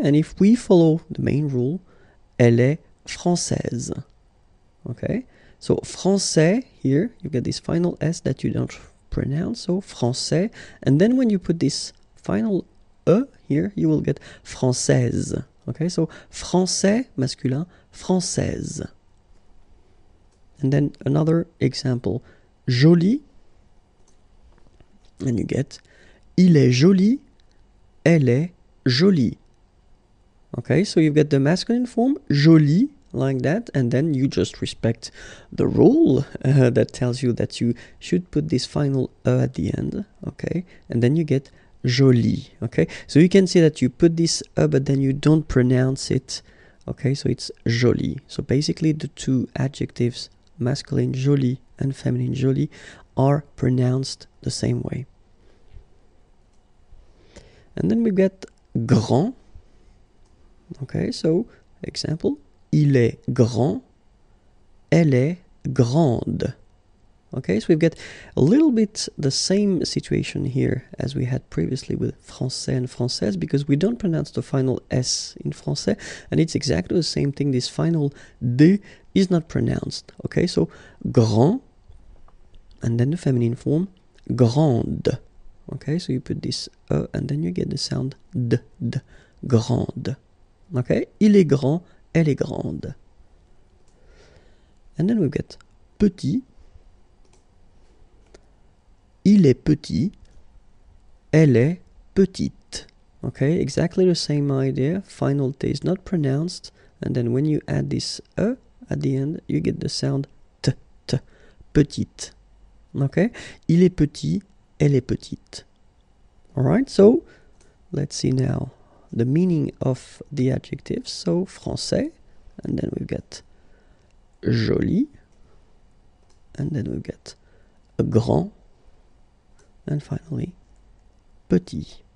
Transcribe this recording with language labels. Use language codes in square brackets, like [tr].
[en] And if we follow the main rule, [fr] elle est française, [en] okay? So français, here, you've got this final S that you don't pronounce, so français. And then when you put this final E here, you will get française, okay? [fr] So français, masculin, française. [en] And then another example, joli. And you get, [fr] il est joli. Elle est jolie. [en] Okay, so you get the masculine form, jolie, like that, and then you just respect the rule that tells you that you should put this final E at the end, okay, and then you get jolie, okay. So you can see that you put this E, but then you don't pronounce it, okay, so it's jolie. So basically the two adjectives, masculine jolie and feminine jolie, are pronounced the same way. And then we get grand. Okay, so example, [fr] il est grand, elle est grande. [en] Okay, so we've got a little bit the same situation here as we had previously with français and française, because we don't pronounce the final S in français, and it's exactly the same thing. This final D is not pronounced. Okay, so grand, and then the feminine form, grande. Okay, so you put this E, and then you get the sound D, D, grande. [fr] Okay, il est grand, elle est grande. [en] And then we get petit. [fr] Il est petit, elle est petite. [en] Okay, exactly the same idea. Final T is not pronounced. And then when you add this E at the end, you get the sound T, T, petite. [fr] Okay, il est petit, elle est petite. [en] Alright, so let's see now the meaning of the adjective. So français, and then we've got joli, and then we've got grand, and finally petit.